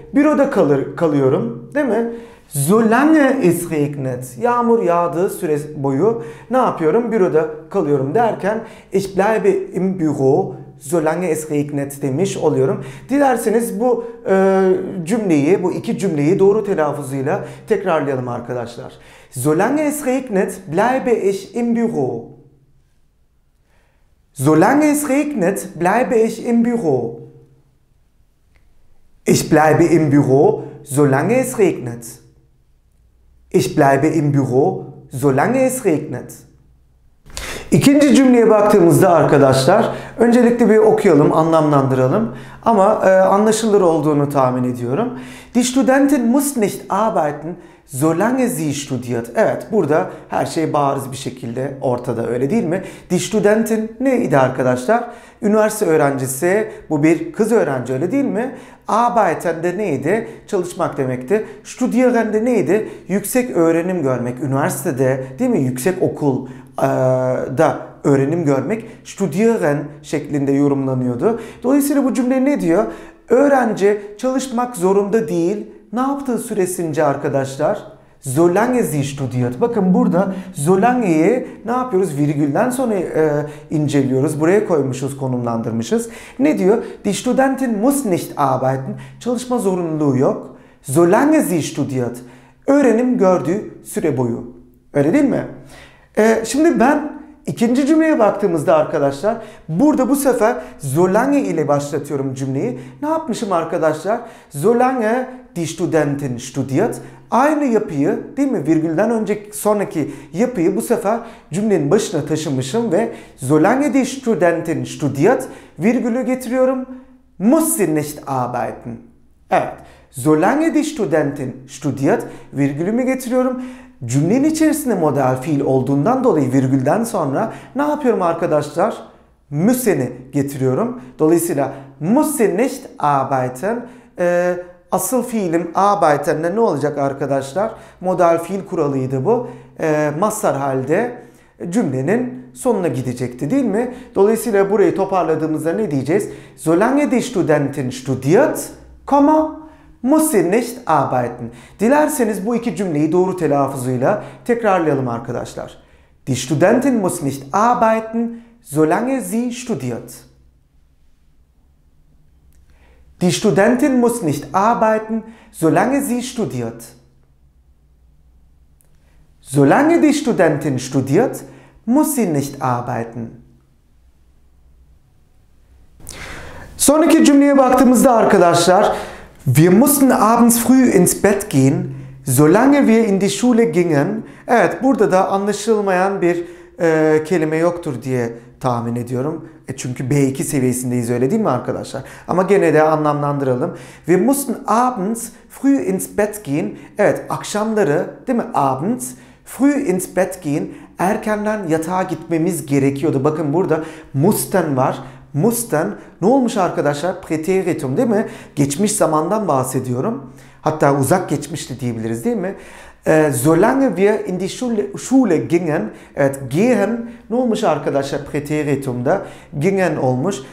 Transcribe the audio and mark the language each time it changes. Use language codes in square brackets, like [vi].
[tr] Büroda kalıyorum, değil mi? [de] Solange es regnet. [tr] Yağmur yağdığı süre boyu ne yapıyorum? Büroda kalıyorum derken [de] ich bleibe im Büro. Solange es regnet [tr] demiş oluyorum. Dilerseniz bu cümleyi, bu iki cümleyi doğru telaffuzuyla tekrarlayalım arkadaşlar. [de] Solange es regnet, bleibe ich im Büro. Solange es regnet, bleibe ich im Büro. Ich bleibe im Büro, solange es regnet. Ich bleibe im Büro, solange es regnet. [tr] İkinci cümleye baktığımızda arkadaşlar, öncelikle bir okuyalım, anlamlandıralım. Ama anlaşılır olduğunu tahmin ediyorum. [de] Die Studentin muss nicht arbeiten, solange sie studiert. [tr] Evet, burada her şey bariz bir şekilde ortada, öyle değil mi? [de] Die Studentin [tr] neydi arkadaşlar? Üniversite öğrencisi, bu bir kız öğrenci, öyle değil mi? Arbeiten de neydi? Çalışmak demekti. Studieren de neydi? Yüksek öğrenim görmek, üniversitede, değil mi? Yüksek okul da öğrenim görmek studieren şeklinde yorumlanıyordu. Dolayısıyla bu cümle ne diyor? Öğrenci çalışmak zorunda değil. Ne yaptığı süresince arkadaşlar? [de] Solange sie studiert. [tr] Bakın burada Solange'yi ne yapıyoruz? Virgülden sonra inceliyoruz. Buraya koymuşuz, konumlandırmışız. Ne diyor? [de] Die Studentin muss nicht arbeiten. [tr] Çalışma zorunluluğu yok. [de] Solange sie studiert. [tr] Öğrenim gördüğü süre boyu. Öyle değil mi? Şimdi ben ikinci cümleye baktığımızda arkadaşlar burada bu sefer Solange ile başlatıyorum cümleyi. Ne yapmışım arkadaşlar? [de] Solange die Studentin studiert. [tr] Aynı yapıyı değil mi? Virgülden önceki sonraki yapıyı bu sefer cümlenin başına taşımışım ve [de] Solange die Studentin studiert [tr] virgülü getiriyorum. [de] Muss sie nicht arbeiten. [tr] Evet. [de] Solange die Studentin studiert [tr] virgülümü getiriyorum. Cümlenin içerisinde modal fiil olduğundan dolayı virgülden sonra ne yapıyorum arkadaşlar? Müsen'i getiriyorum. Dolayısıyla [de] müsse nicht arbeiten [tr] asıl fiilim arbeiten'le ne olacak arkadaşlar? Modal fiil kuralıydı bu. Masar halde cümlenin sonuna gidecekti değil mi? Dolayısıyla burayı toparladığımızda ne diyeceğiz? [de] Solange die Studentin studiert, Muss ich nicht arbeiten. [tr] Dilerseniz bu iki cümleyi doğru telaffuzuyla tekrarlayalım arkadaşlar. [de] Die Studentin muss nicht arbeiten, solange sie studiert. Die Studentin muss nicht arbeiten, solange sie studiert. Solange die Studentin studiert, muss sie nicht arbeiten. [tr] Sonraki cümleye baktığımızda arkadaşlar, [de] wir mussten abends früh ins Bett gehen, solange wir in die Schule gingen. [tr] Evet, burada da anlaşılmayan bir kelime yoktur diye tahmin ediyorum. Çünkü B2 seviyesindeyiz, öyle değil mi arkadaşlar? Ama gene de anlamlandıralım. [de] Wir mussten abends früh ins Bett gehen. [tr] Evet, akşamları, değil mi? [de] Abends früh ins Bett gehen. [tr] Erkenden yatağa gitmemiz gerekiyordu. Bakın burada mussten var. Mussten ne olmuş arkadaşlar? Präteritum, değil mi? Geçmiş zamandan bahsediyorum. Hatta uzak geçmişti diyebiliriz, değil mi? [de] Solange wir in die Schule gingen, [tr] evet, gehen ne olmuş arkadaşlar preteritumda? Gingen olmuş.